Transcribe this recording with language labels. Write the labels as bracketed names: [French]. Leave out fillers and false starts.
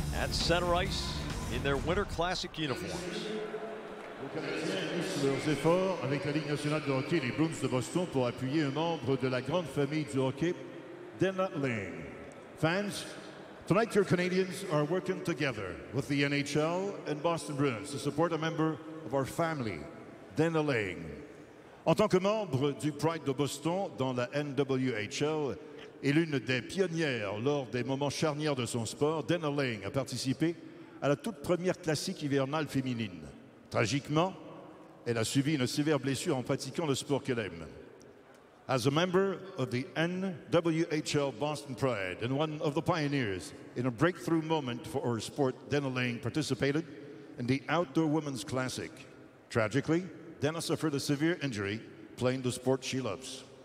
[English] at center ice in their Winter Classic uniforms. [French] Leurs efforts avec la Ligue nationale de hockey, les Bruins de Boston, pour appuyer un membre de la grande famille du hockey, Denna Laing. [English] Fans, tonight your Canadians are working together with the NHL and Boston Bruins to support a member of our family, Denna Laing. [French] En tant que membre du Pride de Boston dans la NWHL et l'une des pionnières lors des moments charnières de son sport, Denna Laing a participé à la toute première classique hivernale féminine. Tragiquement, elle a subi une sévère blessure en pratiquant le sport qu'elle aime. [English] As a member of the NWHL Boston Pride and one of the pioneers in a breakthrough moment for our sport, Denna Laing participated in the Outdoor Women's Classic. Tragically, Denna suffered a severe injury playing the sport she loves.